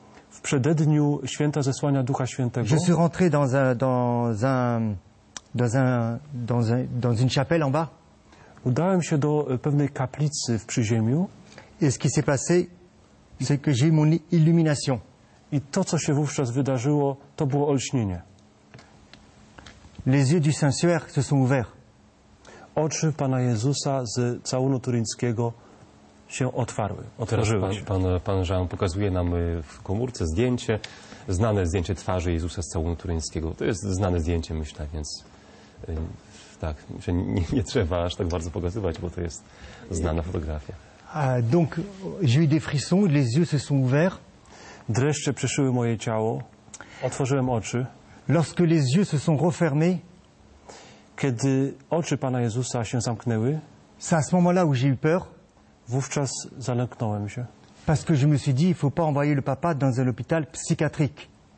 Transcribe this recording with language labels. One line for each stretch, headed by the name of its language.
Polish: w przededniu święta zesłania Ducha Świętego,
French: je suis rentré dans une chapelle en bas.
Polish: Udałem się do pewnej kaplicy w przyziemiu.
French: Et ce qui s'est passé, c'est que j'ai eu mon illumination.
Polish: I to, co się wówczas wydarzyło, to było olśnienie.
French: Les yeux du Saint-Suaire se sont ouverts.
Polish: Oczy Pana Jezusa z całunu turyńskiego się otwarły. Otworzyły się. Pan Jean pokazuje nam w komórce zdjęcie, znane zdjęcie twarzy Jezusa z całunu turyńskiego. To jest znane zdjęcie, myślę, więc tak, że nie trzeba aż tak bardzo pokazywać, bo to jest znana fotografia.
French: Donc, j'ai eu des frissons, les yeux se sont ouverts.
Polish: Dreszcze przeszyły moje ciało. Otworzyłem oczy.
French: Lorsque les yeux se sont refermés,
Polish: kiedy oczy Pana Jezusa się zamknęły,
French: c'est à ce moment-là où j'ai eu peur.
Polish: Wówczas zalęknąłem się.
French: Parce que je me suis dit, il faut pas envoyer le papa dans un hôpital psychiatrique.